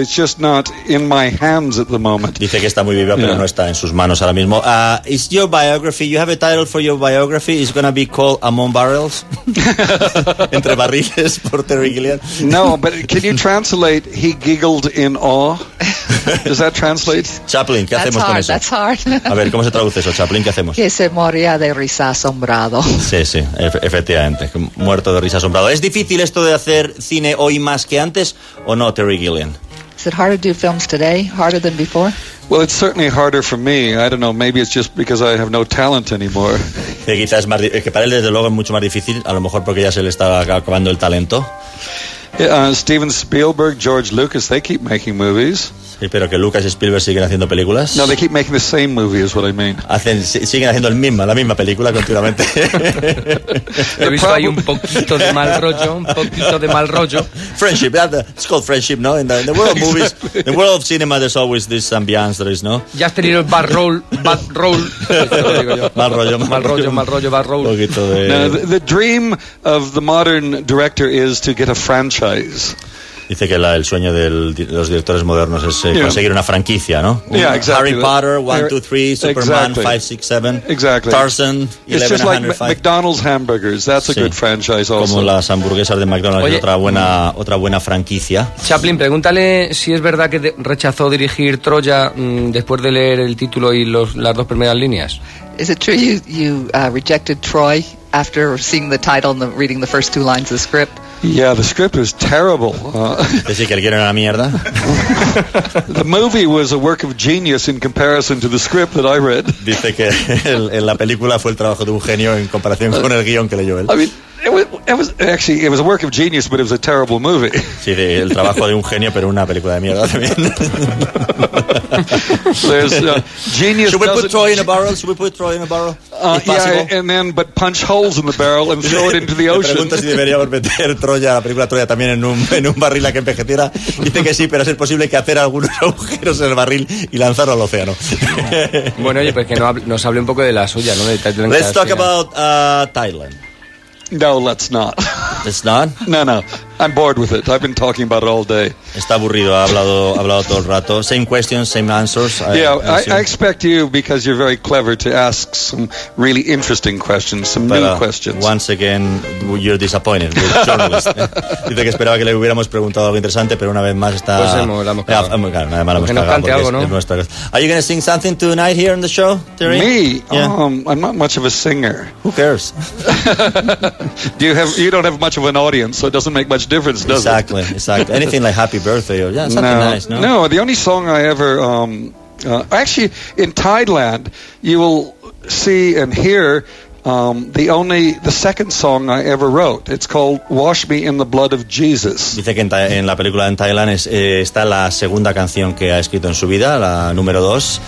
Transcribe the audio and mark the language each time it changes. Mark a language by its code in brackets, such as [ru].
[en] It's just not in my hands at the moment. [es] Dice que está muy viva, pero no está en sus manos ahora mismo. [en] Is your biography, you have a title for your biography, it's going to be called Among Barrels? [es] Entre barriles por Terry Gilliam. [en] No, but can you translate he giggled in awe? Does that translate? [es] Chaplin, ¿qué [en] that's [es] hacemos [en] hard, [es] con eso? [en] That's hard. [es] A ver, ¿cómo se traduce eso, Chaplin? ¿Qué hacemos? Que se moría de risa asombrado. Sí, sí, efectivamente, muerto de risa asombrado. ¿Es difícil esto de hacer cine hoy más que antes o no, Terry Gilliam? [en] Is it harder to do films today, harder than before? Well, it's certainly harder for me. I don't know, maybe it's just because I have no talent anymore. [es] Sí, quizás es más, es que para él desde luego es mucho más difícil, a lo mejor porque ya se le está acabando el talento. [en] Steven Spielberg, George Lucas, they keep making movies. [es] Sí, pero que Lucas y Spielberg siguen haciendo películas. [en] No, they keep making the same movie, is what I mean. [es] Hacen, siguen haciendo el mismo, la misma película continuamente. He visto ahí un poquito de mal rollo, un poquito de mal rollo. [en] Friendship, it's called friendship, no? In the world of movies, exactly. The world of cinema, there's always this ambiance there is, no? [es] Ya has tenido el [en] bad role. [es] Mal rollo. Un poquito de... [en] No, the dream of the modern director is to get a franchise. [es] Dice que el sueño de los directores modernos es conseguir una franquicia, ¿no? [en] Yeah, exactly. Harry Potter, 1, 2, 3, Superman, 5, 6, 7. Exactly. Tarzan, 11, It's just like McDonald's hamburgers. That's a good franchise also. [es] Como las hamburguesas de McDonald's. Oye, y otra buena franquicia. Chaplin, pregúntale si es verdad que rechazó dirigir Troya después de leer el título y las dos primeras líneas. [en] Is it true you rejected Troy after seeing the title and reading the first two lines of the script? Yeah, the script was terrible. [es] Decir que el guion era una mierda. [en] The movie was a work of genius in comparison to the script that I read. [es] Dice que en la película fue el trabajo de un genio en comparación con el guion que leyó él. [en] I mean, it was a work of genius, but it was a terrible movie. [es] Sí, el trabajo de un genio, pero una película de mierda también. [en] There's genius. Should we put Troy in a barrel? Should we put Troy in a barrel? But punch holes in the barrel and throw it into the ocean. [es] Pregunta si deberíamos meter Troya, la película Troya, también en un barril a que envejeciera. Dice que sí, pero es posible que hacer algunos agujeros en el barril y lanzarlo al océano. Bueno, oye, pues que nos hable un poco de la suya, ¿no? [en] Let's talk about Thailand. No, let's not. It's not? No. I'm bored with it. I've been talking about it all day. [es] Está aburrido. Ha hablado todo el rato. [en] Same questions, same answers. I expect you, because you're very clever, to ask some really interesting questions, new questions. Once again, you're disappointed. The journalist. [es] Dice que esperaba que le hubiéramos preguntado algo interesante, pero una vez más está... Pues hemos cagado. Claro, nada más hemos cagado. Que nos cante algo, ¿no? [en] Are you going to sing something tonight here on the show, Terry? Me? Yeah. I'm not much of a singer. Who cares? You don't have much of an audience, so it doesn't make much difference, does exactly, it? Exactly. Anything like Happy Birthday or something nice, no? No, the only song I ever... actually, in Thailand, you will see and hear the second song I ever wrote. It's called Wash Me in the Blood of Jesus. [es] Dice que en la película en Thailand está la segunda canción que ha escrito en su vida, la número dos.